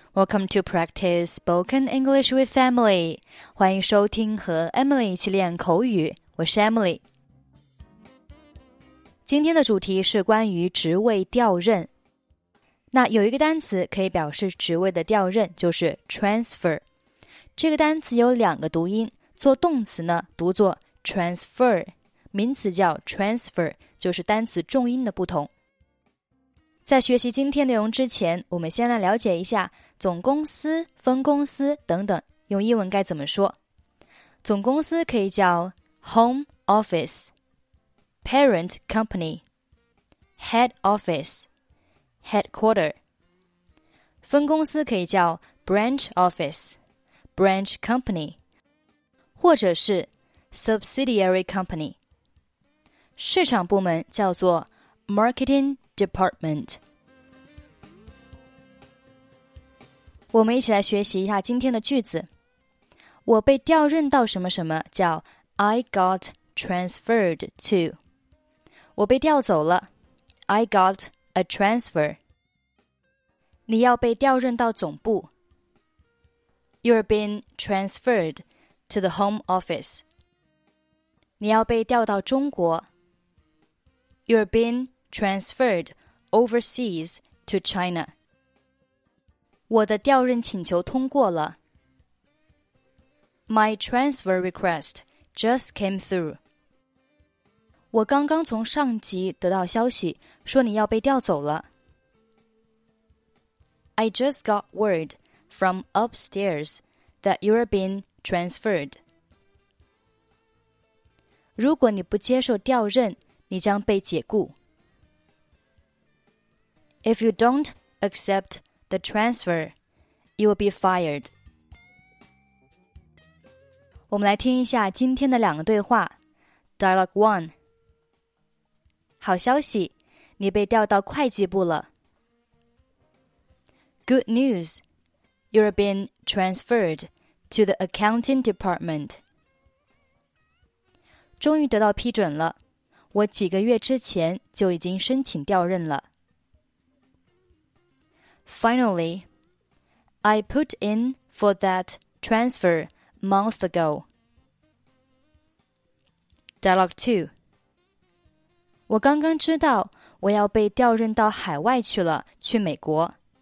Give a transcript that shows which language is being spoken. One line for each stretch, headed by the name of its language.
English: Welcome to Practice Spoken English with Emily.
Chinese: 欢迎收听和 Emily 一起练口语。我是 Emily。今天的主题是关于职位调任。那有一个单词可以表示职位的调任，就是 transfer。这个单词有两个读音，做动词呢，读作 transfer， 名词叫 transfer， 就是单词重音的不同。在学习今天内容之前，我们先来了解一下总公司、分公司等等，用英文该怎么说。总公司可以叫
English: home office, parent company, head office, headquarter。
Chinese: 分公司可以叫
English: branch office, branch company,
Chinese: 或者是
English: subsidiary company。
Chinese: 市场部门叫做
English: marketing department。
Chinese: 我们一起来学习一下今天的句子。我被调任到什么什么叫
English: I got transferred to。
Chinese: 我被调走了，
English: I got a transfer。
Chinese: 你要被调任到总部，
English: You're being transferred to the home office。
Chinese: 你要被调到中国，
English: You're being transferred overseas to China。
Chinese: 我的调任请求通过了。
English: My transfer request just came through.
Chinese: 我刚刚从上级得到消息，说你要被调走了。
English: I just got word from upstairs that you're being transferred.
Chinese: 如果你不接受调任，你将被解雇。
English: If you don't accept the transfer,You will be fired.
Chinese: 我们来听一下今天的两个对话。
English: Dialogue 1.
Chinese: 好消息，你被调到会计部了。
English: Good news. You're being transferred to the accounting department.
Chinese: 终于得到批准了，我几个月之前就已经申请调任了。
English: Finally,I put in for that transfer months ago. Dialogue 2.
Chinese: 我刚刚知道我要被调任到海外去了，去美国。